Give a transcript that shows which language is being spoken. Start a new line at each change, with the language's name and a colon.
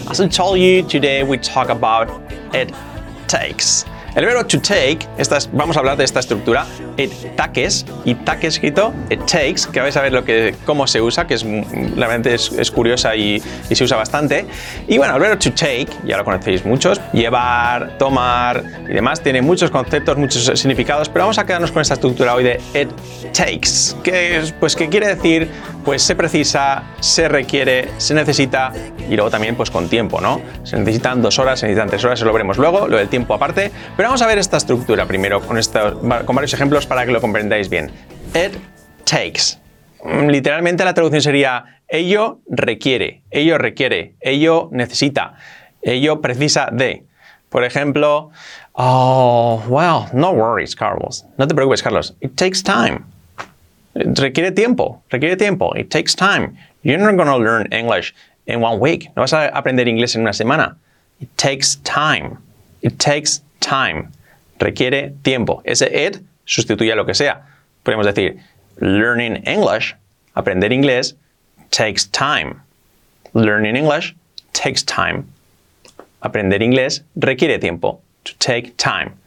English: As I told you, today we talk about It Takes.
Spanish: El verbo to take, vamos a hablar de esta estructura, it takes, y takes escrito, it takes, que vais a ver cómo se usa, que es realmente es curiosa y se usa bastante. Y bueno, el verbo to take, ya lo conocéis muchos, llevar, tomar y demás, tiene muchos conceptos, muchos significados, pero vamos a quedarnos con esta estructura hoy de it takes, que es, pues, ¿qué quiere decir? Pues se precisa, se requiere, se necesita, y luego también pues con tiempo, ¿no? Se necesitan 2 horas, se necesitan 3 horas, eso lo veremos luego, lo del tiempo aparte. Pero vamos a ver esta estructura primero con varios ejemplos para que lo comprendáis bien. It takes. Literalmente la traducción sería ello requiere, ello requiere, ello necesita, ello precisa de. Por ejemplo,
English: oh, well, no worries, Carlos.
Spanish: No te preocupes, Carlos.
English: It takes time.
Spanish: Requiere tiempo, requiere tiempo.
English: It takes time. You're not going to learn English in 1 week.
Spanish: No vas a aprender inglés en una semana.
English: It takes time. It takes time.
Spanish: Requiere tiempo. Ese it sustituye a lo que sea. Podemos decir,
English: learning English,
Spanish: aprender inglés,
English: takes time. Learning English takes time.
Spanish: Aprender inglés requiere tiempo.
English: To take time.